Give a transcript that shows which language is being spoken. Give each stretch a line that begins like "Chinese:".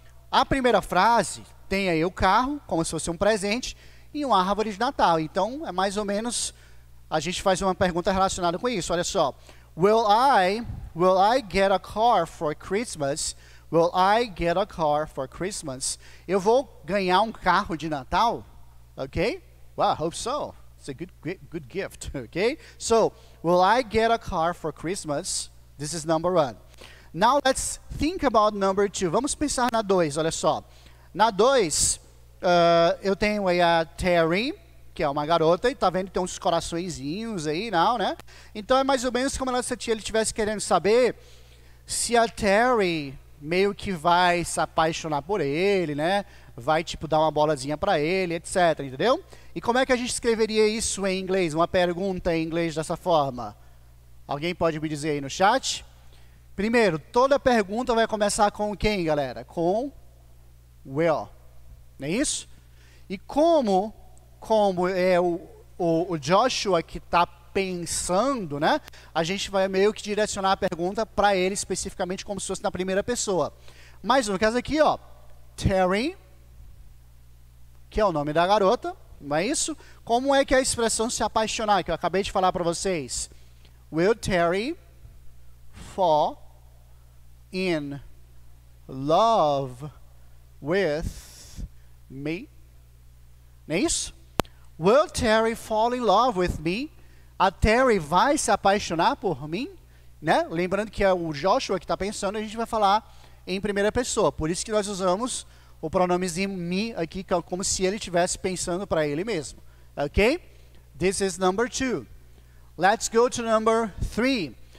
Portuguese: A primeira frase tem aí o carro, como se fosse um presente, e uma árvore de Natal. Então, é mais ou menos, a gente faz uma pergunta relacionada com isso. Olha só.
English: Will I get a car for Christmas? Will I get a car for Christmas?
Portuguese: Eu vou ganhar um carro de Natal?
English: Ok? Well, I hope so. It's a good gift, okay? So, will I get a car for Christmas? This is number one. Now, let's think about number two.
Portuguese: Vamos pensar na dois, olha só. Na dois, eu tenho aí a Terry, que é uma garota, e tá vendo que tem uns coraçõezinhos aí, não, né? Então, é mais ou menos como se ele estivesse querendo saber se a Terry meio que vai se apaixonar por ele, né? Vai, tipo, dar uma bolazinha pra ele, etc, entendeu? E como é que a gente escreveria isso em inglês? Uma pergunta em inglês dessa forma? Alguém pode me dizer aí no chat? Primeiro, toda pergunta vai começar com quem, galera? Com will. Não é isso? E como é o Joshua que está pensando, né? A gente vai meio que direcionar a pergunta para ele especificamente, como se fosse na primeira pessoa. Mas no caso aqui, ó. Terry, que é o nome da garota. Não é isso? Como é que é a expressão se apaixonar, que eu acabei de falar para vocês?
English: Will Terry fall in love with me?
Portuguese: Não é isso?
English: Will Terry fall in love with me?
Portuguese: A Terry vai se apaixonar por mim? Né? Lembrando que é o Joshua que está pensando, a gente vai falar em primeira pessoa. Por isso que nós usamos o pronomezinho me aqui, como se ele estivesse pensando para ele mesmo. Ok?
English: This is number two. Let's go to number three.